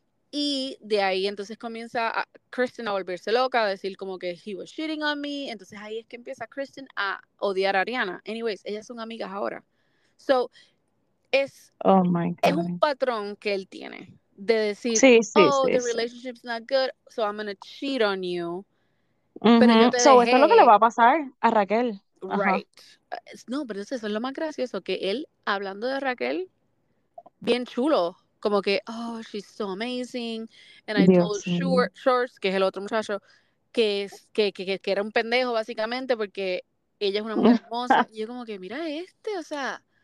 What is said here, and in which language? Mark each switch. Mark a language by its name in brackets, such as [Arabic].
[Spanish] Y de ahí entonces comienza a Kristen a volverse loca, a decir como que [English] he was cheating on me. [Spanish] Entonces ahí es que empieza Kristen a odiar a Ariana. Anyways, ellas son amigas ahora. So, es un patrón que él tiene de decir, sí, [English] relationship's not good, so I'm gonna cheat on you. [Spanish] Pero yo te dejé. Eso es lo que le va a pasar a Raquel. [English] Right. [Spanish] No, pero eso es lo más gracioso, que él, hablando de Raquel, bien chulo. Como que, [English] oh, she's so amazing, and I told Shorts, [Spanish] que es el otro muchacho, que era un pendejo, básicamente, porque ella es una mujer hermosa, y yo como que, mira este, o sea.